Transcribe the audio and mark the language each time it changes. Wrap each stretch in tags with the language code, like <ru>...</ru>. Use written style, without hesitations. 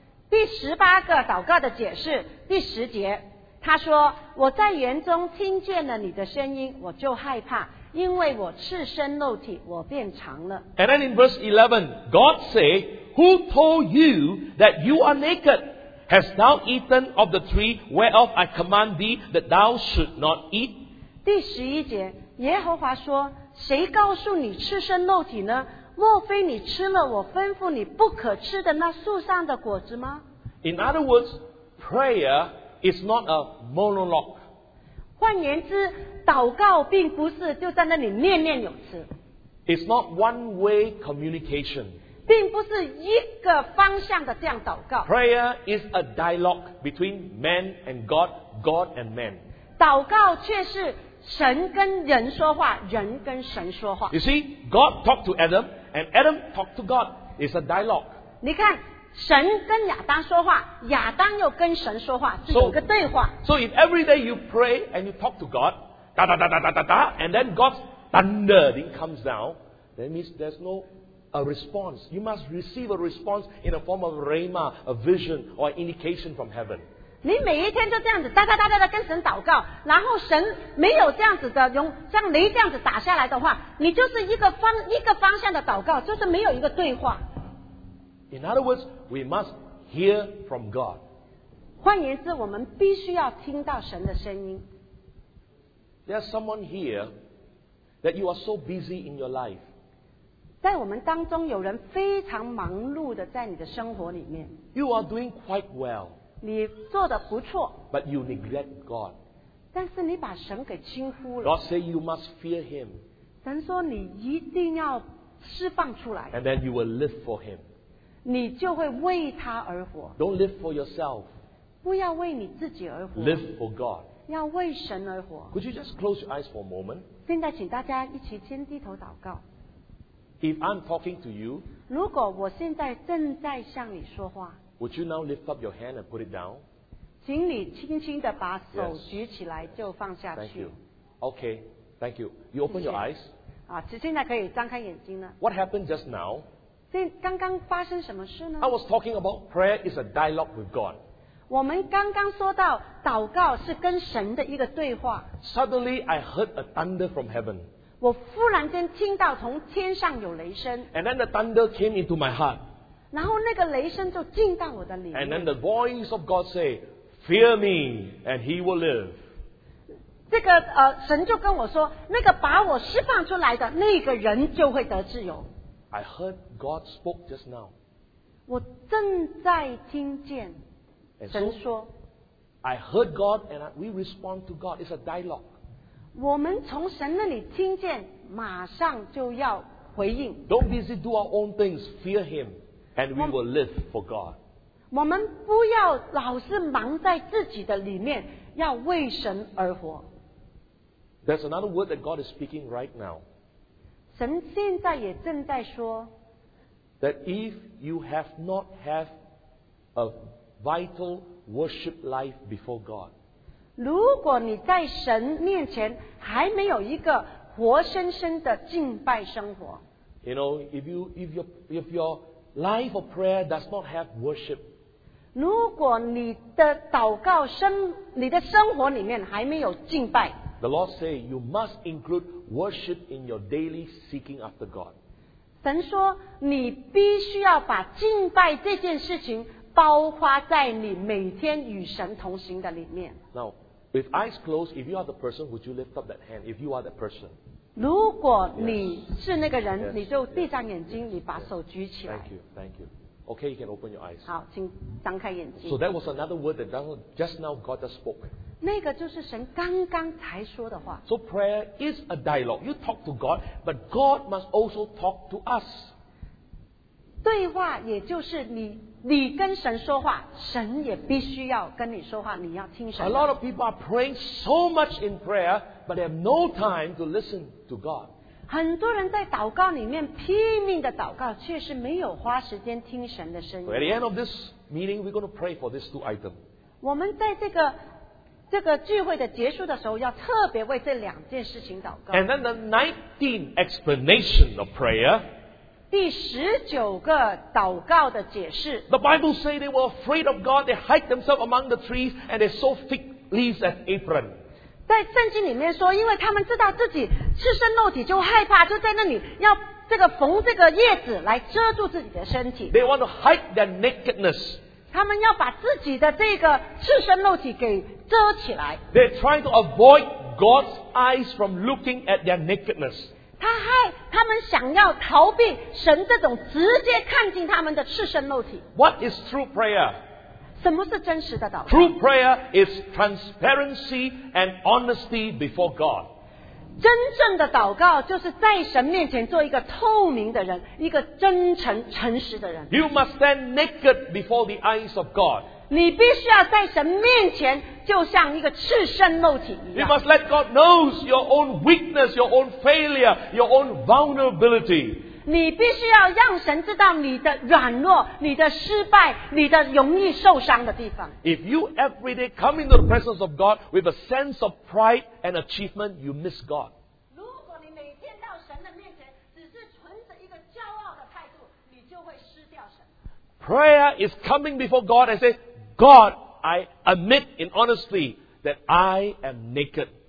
<zh>第十八个祷告的解释，第十节。他说我在园中听见了你的声音我就害怕因为我赤身露体我变长了</zh> <en>And then in verse 11 God say Who told you that you are naked? Hast thou eaten of the tree whereof I command thee that thou should not eat?</en> <zh>第十一节耶和华说谁告诉你赤身露体呢莫非你吃了我吩咐你不可吃的那树上的果子吗</zh> <en>In other words prayerIt's not a monologue.</en> <zh>换言之，祷告并不是就在那里念念有词。</zh> <en>It's not one-way communication.</en> <zh>并不是一个方向的这样祷告。</zh> <en>Prayer is a dialogue between man and God, God and man.</en> <zh>祷告却是神跟人说话，人跟神说话。</zh> <en>You see, God talked to Adam, and Adam talked to God. It's a dialogue.</en> <zh>你看。神跟亚当说话，亚当又跟神说话，这有个对话。</zh> <en>So if every day you pray and you talk to God, da da da da da da da, and then God's thundering comes down, that means there's no a response. You must receive a response in a form of rhema, a vision or an indication from heaven.</en> <zh>你每一天就这样子哒哒哒哒哒跟神祷告，然后神没有这样子的用像雷这样子打下来的话，你就是一个方向的祷告，就是没有一个对话。</zh> <en>In other words, we must hear from God.</en> <zh>换言之，我们必须要听到神的声音。</zh> <en>There's someone here that you are so busy in your life.</en> <zh>在我们当中，有人非常忙碌的在你的生活里面。</zh> <en>You are doing quite well.</en> <zh>你做得不错。</zh> <en>But you neglect God.</en> <zh>但是你把神给轻忽了。</zh> <en>God say you must fear Him.</en> <zh>神说你一定要释放出来。</zh> <en>And then you will live for Him.</en> <zh>你就会为他而活。</zh> <en>Don't live for yourself.</en> <zh>不要为你自己而活。</zh> <en>Live for God.</en> <zh>要为神而活。</zh> <en>Could you just close your eyes for a moment?</en> <zh>现在请大家一起先低头祷告。</zh> <en>If I'm talking to you,</en> <zh>如果我现在正在向你说话，</zh> <en>would you now lift up your hand and put it down?</en> <zh>请你轻轻地把手举起来就放下去。</zh> <en>Thank you. Okay, thank you. You open your eyes.</en> <zh>现在可以张开眼睛了。</zh> <en>What happened just now?</en> <zh>刚刚发生什么事呢？</zh> <en>I was talking about prayer is a dialogue with God.</en> <zh>我们刚刚说到祷告是跟神的一个对话。</zh> <en>Suddenly I heard a thunder from heaven.</en> <zh>我忽然间听到从天上有雷声。</zh> <en>And then the thunder came into my heart.</en> <zh>然后那个雷声就进到我的里面。</zh> <en>And then the voice of God say, Fear me and he will live.</en> <zh>这个神就跟我说，那个把我释放出来的那个人就会得自由。</zh> <en>I heard God spoke just now.</en> <zh>我正在听见神说，</zh> <en>I heard God and we respond to God. It's a dialogue.</en> <zh>我们从神那里听见，马上就要回应。</zh> <en>Don't busy do our own things. Fear Him, and we will live for God.</en> <zh>我们不要老是忙在自己的里面，要为神而活。</zh> <en>There's another word that God is speaking right now.</en> <zh>神现在也正在说，</zh> <en>that if you have not have a vital worship life before God.</en> <zh>如果你在神面前还没有一个活生生的敬拜生活，</zh> <en>you know, if your life of prayer does not have worship,</en> <zh>如果你的祷告生你的生活里面还没有敬拜，</zh> <en>the Lord say you must include worship in your daily seeking after God.</en> <zh>神说你必须要把敬拜这件事情包括在你每天与神同行的里面。</zh> <en>Now, with eyes closed, if you are the person, would you lift up that hand? If you are the person.</en> <zh>如果你是那个人，你就闭上眼睛，你把手举起来。</zh> <en>Thank you, thank you. Okay, you can open your eyes.</en> <zh>好，请张开眼睛。</zh> <en>So that was another word that just now God just spoke.</en> <zh>那个就是神刚刚才说的话。</zh> <en>So prayer is a dialogue. You talk to God, but God must also talk to us.</en> <zh>对话也就是你跟神说话，神也必须要跟你说话，你要听神。</zh> <en>A lot of people are praying so much in prayer, but they have no time to listen to God.</en> <zh>很多人在祷告里面拼命的祷告，却是没有花时间听神的声音。</zh> <en>So at the end of this meeting, we're going to pray for these two items.</en> <zh>我们在这个聚会的结束的时候，要特别为这两件事情祷告。</zh> <en>And then the 19th explanation of prayer.</en> <zh>第十九个祷告的解释。</zh> <en>The Bible say they were afraid of God. They hide themselves among the trees and they sew thick leaves as apron.</en> <zh>在圣经里面说，因为他们知道自己赤身肉体，就害怕，就在那里要这个缝这个叶子来遮住自己的身体。</zh> <en>They want to hide their nakedness.</en> <zh>他们要把自己的这个赤身肉体给遮起来。</zh> <en>They try to avoid God's eyes from looking at their nakedness.</en> <zh>他们想要逃避神这种直接看进他们的赤身肉体。</zh> <en>What is true prayer?</en> <zh>什么是真实的祷告？</zh> <en>True prayer is transparency and honesty before God.</en> <zh>真正的祷告就是在神面前做一个透明的人，一个真诚诚实的人。</zh> <en>You must stand naked before the eyes of God.</en> <zh>你必须要在神面前就像一个赤身肉体一样。</zh> <en>You must let God know your own weakness, your own failure, your own vulnerability.</en> <zh>你必须要让神知道你的软弱、你的失败、你的容易受伤的地方。</zh> <en>If you every day come into the presence of God with a sense of pride and achievement, you miss God.</en> <zh>如果你每天到神的面前只是存着一个骄傲的态度，你就会失掉神。</zh> <en>Prayer is coming before God and say, God. I admit in honesty that I am naked.</en>